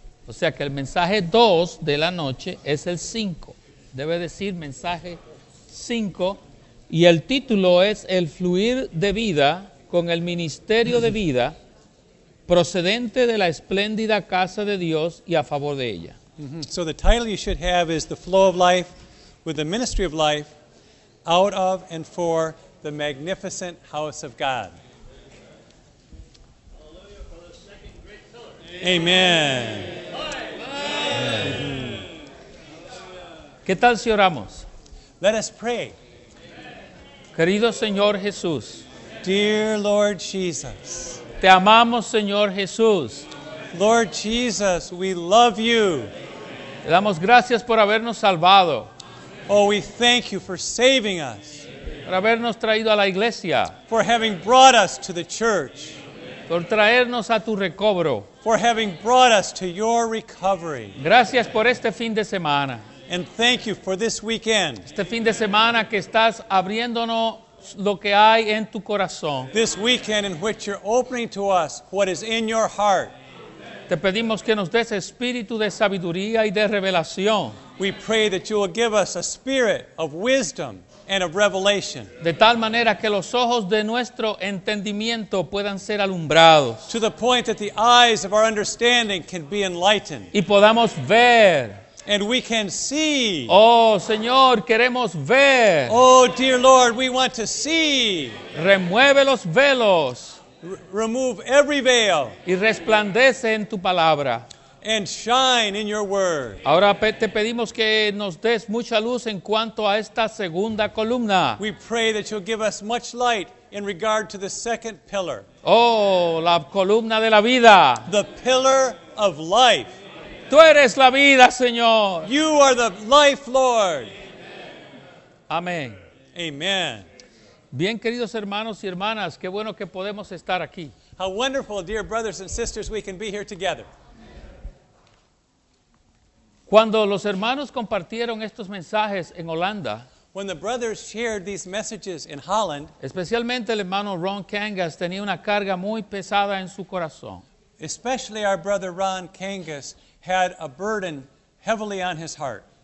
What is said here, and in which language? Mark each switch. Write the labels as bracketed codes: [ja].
[es] O sea que el mensaje 2 de la noche es el 5. Debe decir mensaje 5. Y el título es El fluir de vida con el ministerio de vida procedente de la espléndida casa de Dios y a favor de ella. Mm-hmm. [en] So the title you should have is The Flow of Life with the Ministry of Life out of and for the magnificent house of God. Amen. [es] ¿Qué tal si oramos? [en] Let us pray. [es] Querido Señor Jesús. [en] Dear Lord Jesus. [es] Te amamos, Señor Jesús. [en] Lord Jesus, we love you. [es] Le damos gracias por habernos salvado. [en] Oh, we thank you for saving us. [es] Por habernos traído a la iglesia. [en] For having brought us to the church. [es] Por traernos a tu recobro. [en] For having brought us to your recovery. [es] Gracias por este fin de semana. [en] And thank you for this weekend. [es] Este fin de semana que estás abriéndonos lo que hay en tu corazón. [en] This weekend in which you're opening to us what is in your heart. [es] Te pedimos que nos des espíritu de sabiduría y de revelación. [en] We pray that you will give us a spirit of wisdom and of revelation. [es] De tal manera que los ojos de nuestro entendimiento puedan ser alumbrados. [en] To the point that the eyes of our understanding can be enlightened. [es] Y podamos ver. [en] And we can see. [es] Oh, Señor, queremos ver. [en] Oh, dear Lord, we want to see. [es] Remueve los velos. [en] Remove every veil. [es] Y resplandece en tu palabra. [en] And shine in your word. [es] Ahora te pedimos que nos des mucha luz en cuanto a esta segunda columna. [en] We pray that you'll give us much light in regard to the second pillar. [es] Oh, la columna de la vida. [en] The pillar of life. [es] Tú eres la vida, Señor. [en] You are the life, Lord. [es] Amén. [en] Amen. [es] Bien, queridos hermanos y hermanas, qué bueno que podemos estar aquí. [en] How wonderful, dear brothers and sisters, we can be here together. [es] Cuando los hermanos compartieron estos mensajes en Holanda, [en] when the brothers shared these messages in Holland, [es] especialmente el hermano Ron Kangas tenía una carga muy pesada en su corazón. [en] Especially our brother Ron Kangas had a burden heavily on his heart.